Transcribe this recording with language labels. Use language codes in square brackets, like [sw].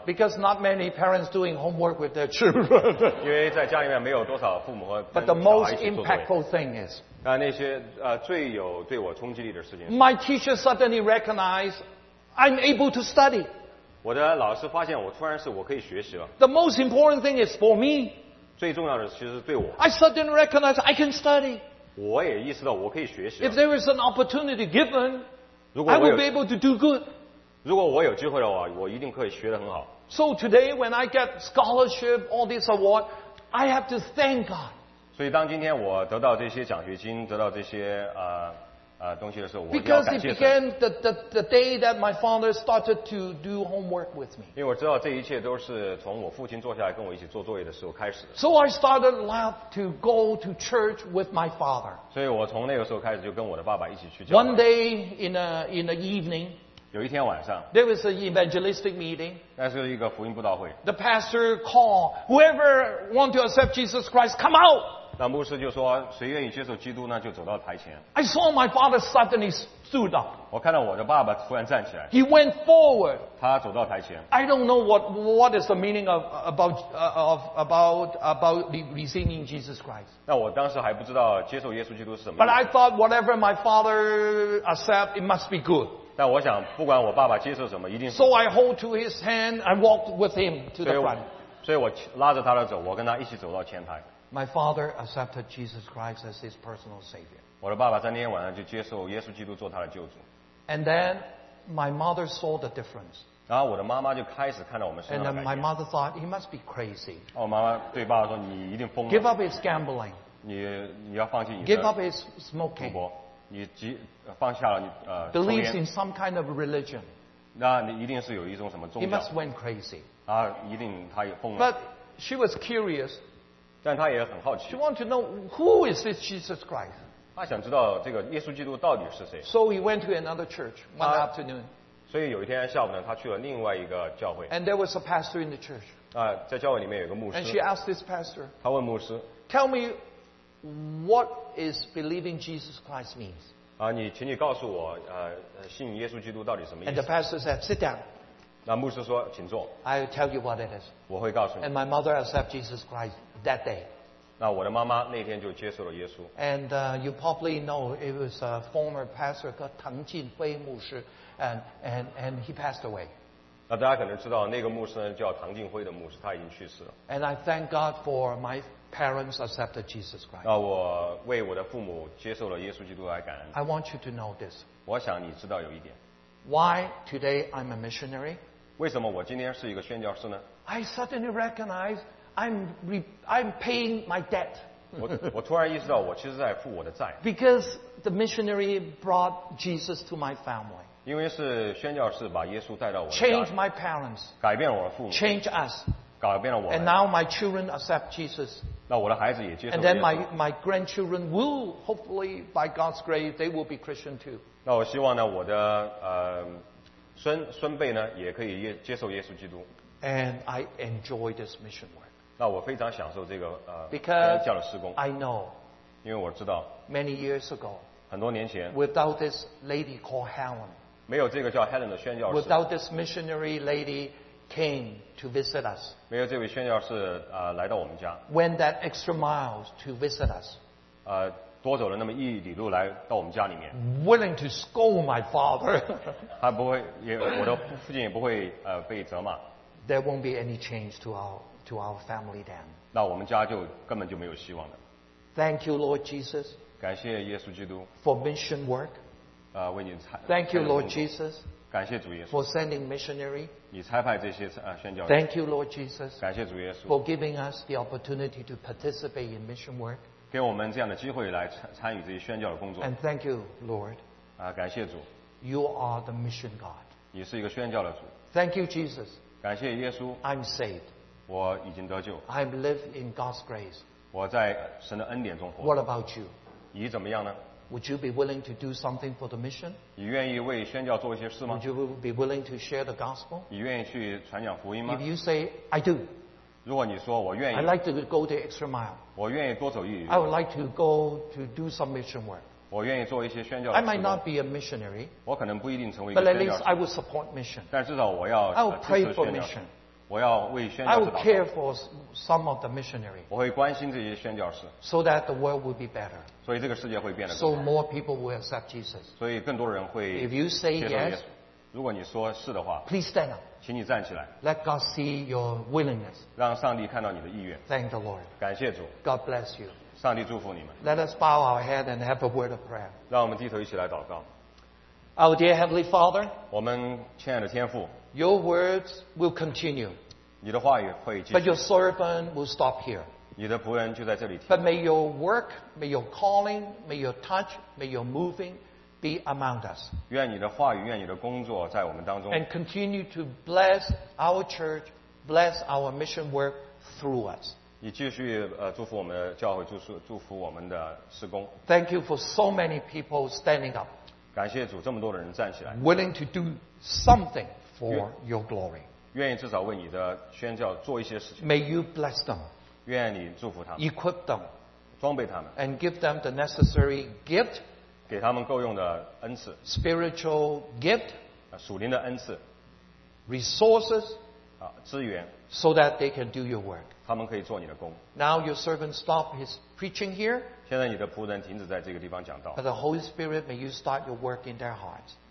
[en] ？Because not many parents doing homework with their children. [zh] 因为在家里面没有多少父母和跟小孩一起做作业。 [en] But the most impactful thing is. [zh] 那些最有对我冲击力的事情。 [en] My teacher suddenly recognized I'm able to study. [zh] 我的老师发现我突然是我可以学习了。 [en] The most important thing is for me. [zh] 最重要的其实对我。 [en] I suddenly recognized I can study. [zh] 我也意识到我可以学习了。 [en] If there is an opportunity given, I will be able to do good. [zh] 如果我有机会的话，我一定可以学得很好。 [en] So today when I get scholarship, all this award, I have to thank God. [zh] 所以当今天我得到这些奖学金得到这些东西的时候，我要感谢神。 [en] Because it began the day that my father started to do homework with me. [zh] 因为我知道这一切都是从我父亲坐下来跟我一起做作业的时候开始的。 [en] So I started love to go to church with my father. [zh] 所以我从那个时候开始就跟我的爸爸一起去教会。 [en] One day in the evening. [zh] 有一天晚上。 [en] There was an evangelistic meeting. [zh] 那是一个福音布道会。 [en] The pastor called whoever want to accept Jesus Christ, come out. [zh] 那牧师就说谁愿意接受基督呢就走到台前。 [en] I saw my father suddenly stood up. [zh] 我看到我的爸爸突然站起来。 [en] He went forward. [zh] 他走到台前。 [en] I don't know what is the meaning about receiving Jesus Christ. [zh] 那我当时还不知道接受耶稣基督是什么。 [en] But I thought whatever my father accept, it must be good. [zh] 但我想不管我爸爸接受什么一定是。 [en] So I hold to his hand, I walked with him to the front. [zh] 所以我拉着他的走我跟他一起走到前台。 [en] My father accepted Jesus Christ as his personal savior. [zh] 我的爸爸在那天晚上就接受耶稣基督做他的救主。 [en] And then my mother saw the difference. [zh] 然后我的妈妈就开始看到我们身上的改变。 [en] And then my mother thought he must be crazy. [zh] 我妈妈对爸爸说你一定疯了。 [en] Give up his gambling. [zh] 你要放弃你的。 [en] Give up his smoking. [zh] 赌博，你放下了你抽烟。 [en] Believes in some kind of religion. [zh] 那你一定是有一种什么宗教。 [en] He must went crazy. [zh] 啊，一定他也疯了。 [en] But she was curious. [zh] 但他也很好奇。 [en] She wants to know who is this Jesus Christ. [zh] 他想知道这个耶稣基督到底是谁。 [en] So he went to another church one afternoon. [zh] 所以有一天下午呢，他去了另外一个教会。 [en] And there was a pastor in the church. [zh] 在教会里面有个牧师。 [en] And she asked this pastor. [zh] 他问牧师。 [en] Tell me what is believing Jesus Christ means. [zh] 你请你告诉我，信耶稣基督到底什么意思。 [en] And the pastor said, sit down. [zh] 那牧师说请坐 [en] I'll tell you what it is [zh] 我会告诉你 [en] And my mother accepted Jesus Christ that day [zh] 那我的妈妈那天就接受了耶稣 [en] And you probably know it was a former pastor called 唐进辉牧师 and he passed away [zh] 那大家可能知道那个牧师呢叫唐进辉的牧师他已经去世了 [en] And I thank God for my parents accepted Jesus Christ [zh] 那我为我的父母接受了耶稣基督来感恩 [en] I want you to know this [zh] 我想你知道有一点 [en] Why today I'm a missionary? [zh] 为什么我今天是一个宣教士呢 [en] ？I suddenly recognize I'm paying my debt. [zh] 我突然意识到我其实在付我的债。 [en] Because the missionary brought Jesus to my family. [zh] 因为是宣教士把耶稣带到我。 [en] Change my parents. [zh] 改变我的父母。 [en] Change us. [zh] 改变了我。 [en] And now my children accept Jesus. [zh] 那我的孩子也接受耶稣。 [en] And then my grandchildren will hopefully by God's grace they will be Christian too. [zh] 那我希望呢，我的孙辈呢，也可以接受耶稣基督。 [en] And I enjoy this mission work. [zh] 那我非常享受这个 [en] Because [zh] 教的施工。 [en] I know. [zh] 因为我知道。 [en] Many years ago. [zh] 很多年前。 [en] Without this lady called Helen. [zh] 没有这个叫 Helen 的宣教士。 [en] Without this missionary lady came to visit us. [zh] 没有这位宣教士来到我们家。 [en] Went that extra miles to visit us. [zh] 多走了那么一里路来到我们家里面 [en] willing to scold my father [zh] 他不会也我的父亲也不会被责骂 [en] there won't be any change to our family then [zh] 那我们家就根本就没有希望了 [en] thank you Lord Jesus [zh] 感谢耶稣基督 [en] for mission work [zh] 为你差 [en] thank you Lord Jesus [zh] 感谢主耶稣 [en] for sending missionary [zh] 你差派这些宣教 [en] thank you Lord Jesus [zh] 感谢主耶稣 [en] for giving us the opportunity to participate in mission work [zh] 给我们这样的机会来参与这些宣教的工作。 [en] And thank you, Lord. [zh] 感谢主。 [en] You are the mission God. [zh] 你是一个宣教的主。 [en] Thank you, Jesus. [zh] 感谢耶稣。 [en] I'm saved. [zh] 我已经得救。 [en] I live in God's grace. [zh] 我在神的恩典中活。 [en] What about you? [zh] 你怎么样呢 [en] ？Would you be willing to do something for the mission? [zh] 你愿意为宣教做一些事吗 [en] ？Would you be willing to share the gospel? [zh] 你愿意去传讲福音吗 [en] ？If you say I do. [zh] 如果你说我愿意 [en] ，I like to go the extra mile. [zh] 我愿意多走一里。 [en] I would like to go to do some mission work. [zh] 我愿意做一些宣教的事。 [en] I might not be a missionary. [zh] 我可能不一定成为一个宣教士。 [en] But at least I would support mission. [zh] 但至少我要支持宣教。 [en] I would pray for mission. [zh] 我要为宣教士祷告。 [en] I would care for some of the missionary. [zh] 我会关心这些宣教士。 [en] So that the world would be better. [zh] 所以这个世界会变得更好。 [en] So more people will accept Jesus. [zh] 所以更多人会接受耶稣。 [en] If you say yes, [zh] 如果你说是的话 [en] ，Please stand up. [zh] 请你站起来。 [en] Let God see your willingness. [zh] 让上帝看到你的意愿。 [en] Thank the Lord. [zh] 感谢主。 [en] God bless you. [zh] 上帝祝福你们。 [en] Let us bow our head and have a word of prayer. [zh] 让我们低头一起来祷告。 [en] Our dear Heavenly Father. [zh] 我们亲爱的天父。 [en] Your words will continue. [zh] 你的话语会继续。 [en] But your servant will stop here. [zh] 你的仆人就在这里停。 [en] But may your work, may your calling, may your touch, may your moving be among us. [zh] 愿你的话语，愿你的工作在我们当中。 [en] And continue to bless our church, bless our mission work through us. [zh] 你继续祝福我们的教会，祝福我们的事工。 [en] Thank you for so many people standing up. [zh] 感谢主，这么多的人站起来。 [en] Willing to do something for your glory. [zh] 愿意至少为你的宣教做一些事情。 [en] May you bless them. [zh] 愿你祝福他们。 [en] Equip them. [zh] 装备他们 [en] and give them the necessary gift, [zh] 给他们够用的恩赐 [en] spiritual gift, [zh] 属灵的恩赐 [en] resources, [zh] 资源 [en] so that they can do your work. [zh] 他们可以做你的工 [en] Now your servant stop his preaching here. [zh] 现在你的仆人停止在这个地方讲道 [en] But the Holy Spirit, may you start your work in their hearts.